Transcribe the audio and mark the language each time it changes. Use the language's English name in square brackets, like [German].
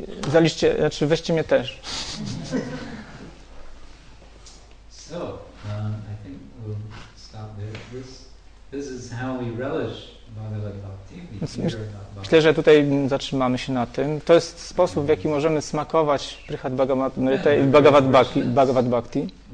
[Polish] Zaliczcie, znaczy weźcie mnie też. [English] So, I think we'll stop there. This is how we relish Bhagavad Bhakti. [Polish] Myślę, że tutaj zatrzymamy się na tym. To jest sposób, w jaki możemy smakować Prihat Bhagavat Bhakti.